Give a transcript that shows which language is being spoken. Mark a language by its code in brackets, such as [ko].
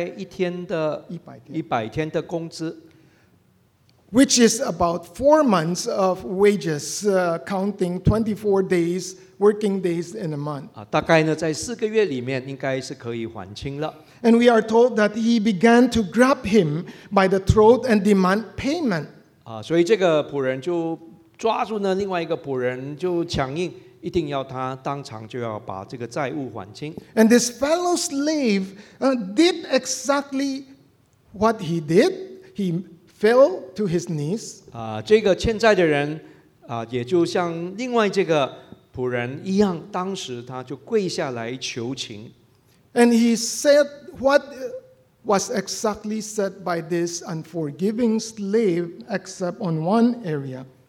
[zh] 其实他只不过欠他大概一天的100天的工资。 [en] Which is about 4 months of wages, counting 24 days, working days in a month. [zh] 大概呢, 在4个月里面, 应该是可以还清了。 [en] And we are told that he began to grab him by the throat and demand payment. [zh] 所以这个仆人就抓住了另外一个仆人, 就强硬, 一定要他当场就要把这个债务还清。 [en] And this fellow slave did exactly what he did. He fell to his knees. [zh] 这个欠债的人也就像另外这个仆人一样, 当时他就跪下来求情。 [en] And he said what was exactly said by this unforgiving slave, except on one area.